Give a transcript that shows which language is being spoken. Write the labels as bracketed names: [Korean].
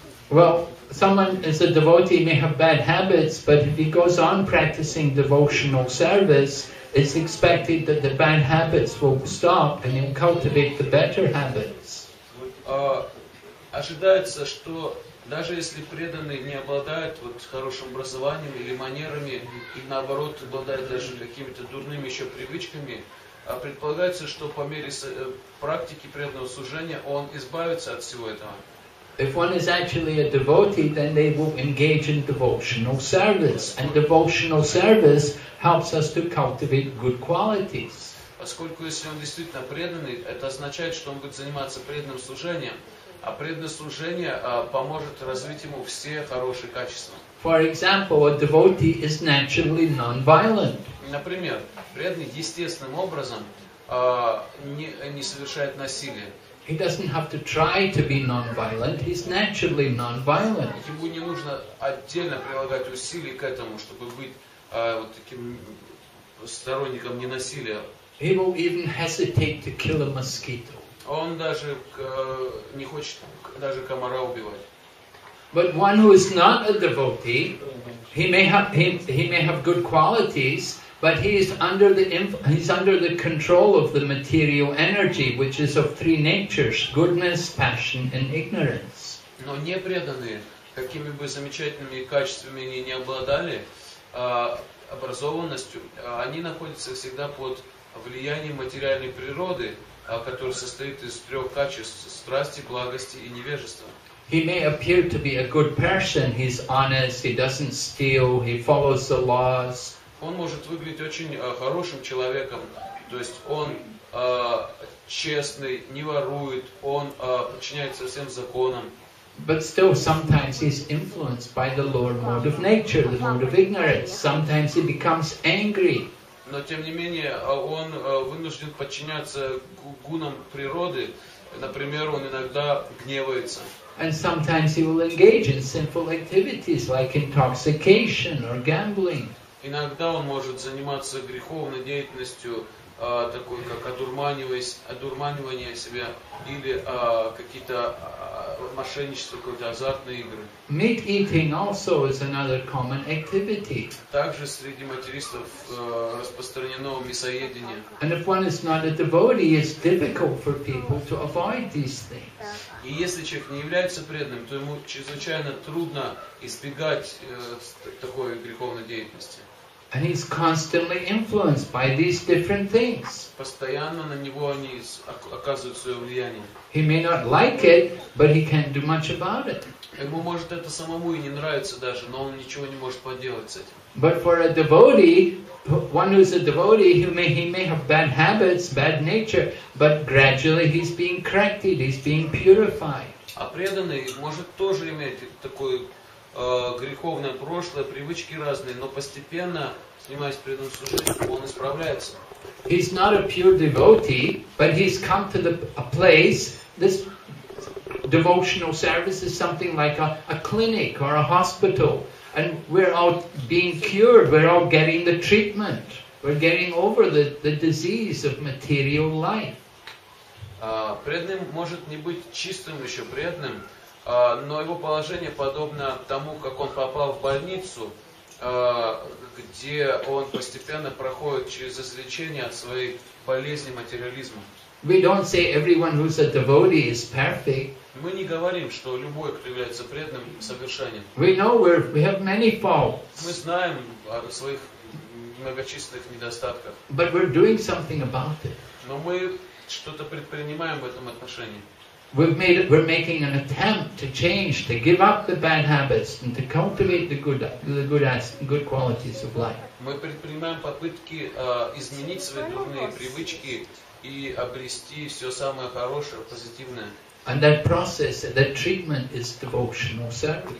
[English] Well, someone as a devotee may have bad habits, but if he goes on practicing devotional service, it's expected that the bad habits will stop and he'll cultivate the better habits. [Russian] Ожидается, что даже если преданный не обладает вот хорошим образованием или манерами, и наоборот обладает даже какими-то дурными еще привычками, предполагается, что по мере практики преданного служения он избавится от всего этого. [English] If one is actually a devotee, then they will engage in devotional service. And devotional service helps us to cultivate good qualities. [Russian] Поскольку если он действительно преданный, это означает, что он будет заниматься преданным служением. А преданное служение поможет развить ему все хорошие качества. [English] For example, a devotee is naturally non-violent. [Russian] Например, преданный естественным образом не совершает насилие. [English] He doesn't have to try to be non-violent. He's naturally non-violent. [Russian] Ему не нужно отдельно прилагать усилий к этому, чтобы быть вот таким сторонником ненасилия. [English] He will even hesitate to kill a mosquito. [Russian] Он даже не хочет даже комара убивать. [English] But one who is not a devotee, he may have good qualities, but he is under the control of the material energy, which is of three natures: goodness, passion, and ignorance. [Russian] Но непреданные, какими бы замечательными качествами они не обладали, образованностью, они находятся всегда под влияние материальной природы, которая состоит из трех качеств – страсти, благости и невежества. [English] He may appear to be a good person, he's honest, he doesn't steal, he follows the laws. [Russian] Он может выглядеть очень хорошим человеком, то есть он честный, не ворует, он подчиняется всем законам. [English] But still sometimes he's influenced by the lower mode of nature, the mode of ignorance. Sometimes he becomes angry. [Russian] Но тем не менее он вынужден подчиняться гунам природы. Например, он иногда гневается. [English] And sometimes he will engage in sinful activities like intoxication or gambling. [Russian] Иногда он может заниматься греховной деятельностью, такой как одурманивание себя или какие-то мошенничество, какие-то азартные игры. [English] Meat eating also is another common activity. [Russian] Также среди материстов распространено мясоедение. [English] And if one is not a devotee, it's difficult for people to avoid these things. [Russian] И если человек не является преданным, то ему чрезвычайно трудно избегать такой греховной деятельности. [English] And he's constantly influenced by these different things. [Russian] Постоянно на него они оказывают свое влияние. [English] He may not like it, but he can't do much about it. [Russian] Ему может это самому и не нравится даже, но он ничего не может поделать с этим. [English] But for a devotee, one who's a devotee, he may have bad habits, bad nature, but gradually he's being corrected, he's being purified. [Russian] А преданный может тоже иметь такую греховное прошлое, привычки разные, но постепенно, занимаясь преданным служением, он исправляется. [English] He's not a pure devotee, but he's come to a place. This devotional service is something like a clinic or a hospital, and we're all being cured. We're all getting the treatment. We're getting over the disease of material life. [Russian] Преданным может не быть чистым еще преданным. Но его положение подобно тому, как он попал в больницу, где он постепенно проходит через излечение от своей болезни материализма. [English] We don't say everyone who's a devotee is perfect. [Russian] Мы не говорим, что любой, кто является преданным, совершенен. [English] We know we have many faults. [Russian] Мы знаем о своих многочисленных недостатках. [English] But we're doing something about it. [Russian] Но мы что-то предпринимаем в этом отношении. [English] We're making an attempt to change, to give up the bad habits and to cultivate the good qualities of life. [Russian] Мы предпринимаем попытки изменить свои дурные привычки и обрести все самое хорошее, позитивное. [English] And that process, that treatment is devotional service.